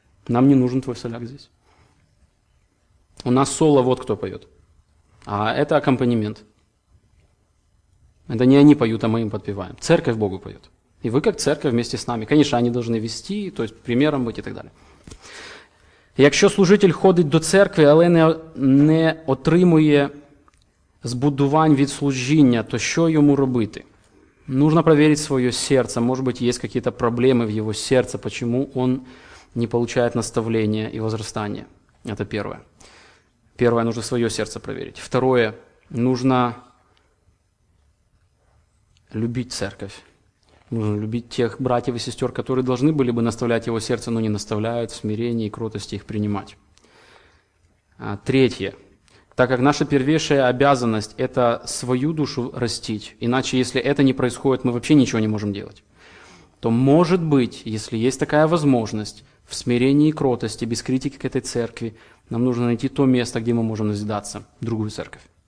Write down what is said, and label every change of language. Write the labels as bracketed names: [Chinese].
[Russian] Нам не нужен твой соляк здесь. У нас соло вот кто поет. А это аккомпанемент. Это не они поют, а мы им подпеваем. Церковь Богу поет. И вы как церковь вместе с нами. Конечно, они должны вести, то есть примером быть и так далее. [Ukrainian] Якщо служитель ходить до церкви, але не отримує збудувань від служіння, то що йому робити? [Russian] Нужно проверить [Ukrainian] своє серце. Може бути, є якісь проблеми в його серці, чому він не отримує наставлення і возростання. Це перше. Перше, [Russian] нужно [Ukrainian] своє серце [Russian] проверити. Второе, нужно любити церковь. Нужно любить тех братьев и сестер, которые должны были бы наставлять его сердце, но не наставляют, в смирении и кротости их принимать. А третье. Так как наша первейшая обязанность – это свою душу растить, иначе, если это не происходит, мы вообще ничего не можем делать, то, может быть, если есть такая возможность, в смирении и кротости, без критики к этой церкви, нам нужно найти то место, где мы можем назидаться, другую церковь.